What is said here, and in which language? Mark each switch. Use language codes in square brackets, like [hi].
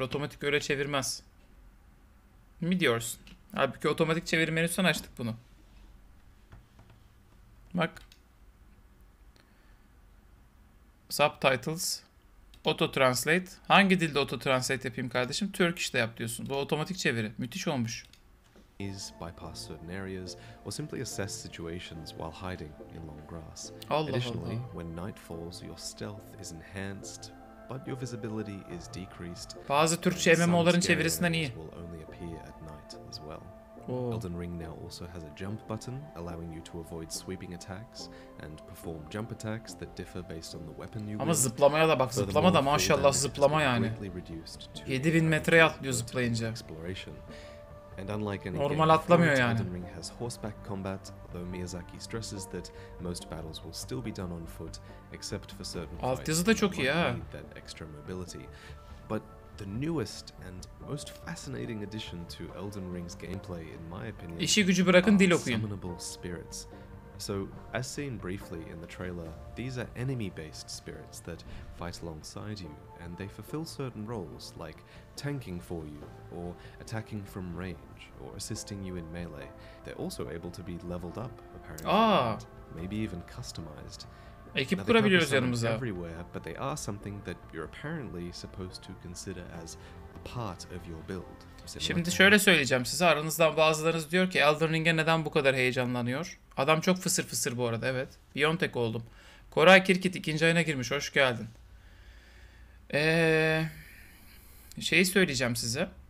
[tr] Otomatik öyle çevirmez. Mi diyorsun? Halbuki otomatik çeviri menüsünden açtık bunu. Bak. [en] Subtitles. Auto translate. [tr] Hangi dilde auto translate yapayım kardeşim? Turkish de yap diyorsun. Bu otomatik çeviri. Müthiş olmuş. [en] Bypass certain areas or simply assess situations while hiding in long grass. Allah additionally, Allah. When night falls, your stealth is enhanced, but your visibility is decreased. [tr] Bazı Türkçe MMO'ların çevirisinden iyi. [en] Will only appear at night as well. Elden Ring now also has a jump button, allowing you to avoid sweeping attacks and perform jump attacks that differ based on the weapon you wield. [tr] Ama zıplamaya da bak, zıplama da maşallah zıplama yani. 7000 metreye atlıyor zıplayınca. [en] And unlike any [tr] normal atlamıyor yani. [en] Elden Ring has horseback combat, though Miyazaki stresses that most battles will still be done on foot, except for certain fights. [tr] Altyazı da çok iyi ha. [en] That extra mobility. But the newest and most fascinating addition to Elden Ring's gameplay, in my opinion, [tr] İşi gücü bırakın, dil okuyun. [en] Summonable spirits. So, as seen briefly in the trailer, these are enemy-based spirits that fight alongside you, and they fulfill certain roles, like tanking for you, or attacking from range, or assisting you in melee. They're also able to be leveled up, apparently, and maybe even customized. [tr] Ekip kurabiliyoruz yanımıza. [en] Everywhere, but they are something that you're apparently supposed to consider as a part of your build. [tr] Şimdi şöyle söyleyeceğim size, aranızdan bazılarınız diyor ki Elden Ring'e neden bu kadar heyecanlanıyor? Adam çok fısır fısır bu arada, evet. Biontech oldum. Koray Kirkit ikinci ayına girmiş, hoş geldin. Şeyi söyleyeceğim size.